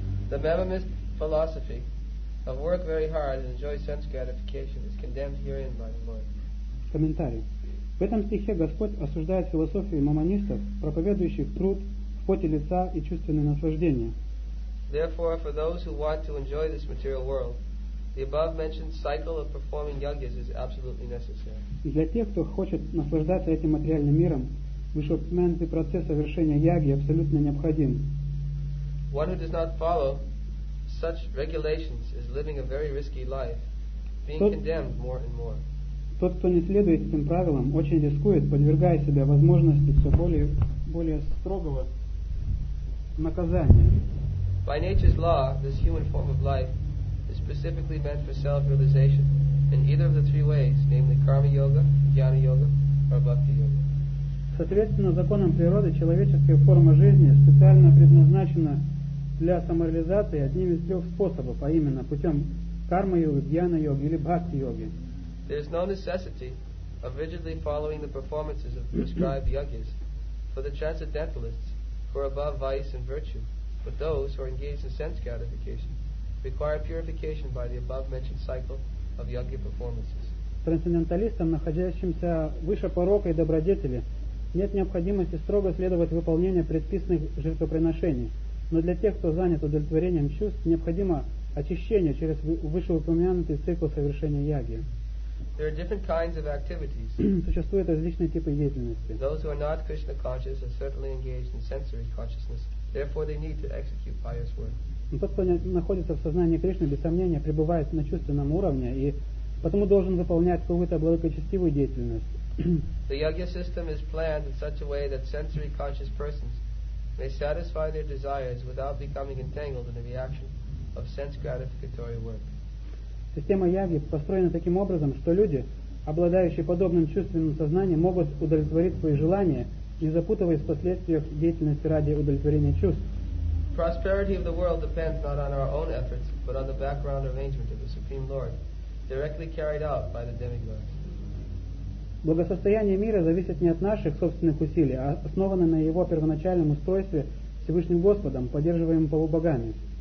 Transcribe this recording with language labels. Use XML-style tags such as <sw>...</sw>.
<en>The Mamamist philosophy of work very hard and enjoy sense gratification is condemned herein by the Lord.</en> <ru>Комментарий. В этом стихе Господь осуждает философию мамонистов, проповедующих труд в поте лица и чувственное наслаждение.</ru> <en>Therefore, for those who want to enjoy this material world, the above-mentioned cycle of performing yagyas is absolutely necessary.</en> <ru>Для тех, кто хочет наслаждаться этим материальным миром, вышеупомянутый процесс совершения яги абсолютно необходим.</ru> <en>One who does not follow such regulations is living a very risky life, being condemned more and more.</en> <ru>Тот, кто не следует этим правилам, очень рискует, подвергая себя возможности все более строгого наказания.</ru> <en>By nature's law, this human form of life is specifically meant for self-realization in either of the three ways, namely karma-yoga, jnana-yoga, or bhakti-yoga.</en> <ru>Соответственно, законам природы, человеческая форма жизни специально предназначена для самореализации одним из трех способов, а именно путем карма-йоги, джьяна-йоги или бхакти-йоги.</ru> <en>There is no necessity of rigidly following the performances of prescribed yogis for the transcendentalists who are above vice and virtue, but those who are engaged in sense gratification require purification by the above-mentioned cycle of yogi performances.</en> <ru>Трансценденталистам, находящимся выше порока и добродетели, нет необходимости строго следовать выполнению предписанных жертвоприношений. Но для тех, кто занят удовлетворением чувств, необходимо очищение через вышеупомянутый цикл совершения яги.</ru> <en>There are different kinds of activities.</en> <ru>Существуют различные типы деятельности.</ru> <en>Those who are not Krishna conscious are certainly engaged in sensory consciousness. Therefore, they need to execute pious work.</en> <ru>Тот, кто находится в сознании Кришны, без сомнения, пребывает на чувственном уровне и потому должен выполнять какую-то благочестивую деятельность.</ru> <en>The yoga system is planned in such a way that sensory conscious persons may satisfy their desires without becoming entangled in the reaction of sense gratificatory work.</en> <ru>Система яги построена таким образом, что люди, обладающие подобным чувственным сознанием, могут удовлетворить свои желания, не запутываясь в последствиях деятельности ради удовлетворения чувств.</ru> <en>Prosperity of the world depends not on our own efforts, but on the background arrangement of the Supreme Lord, directly carried out by the demigods.</en> <ru>Благосостояние мира зависит не от наших собственных усилий, а основано на его первоначальном устройстве Всевышним Господом, поддерживаемым полубогами.</ru>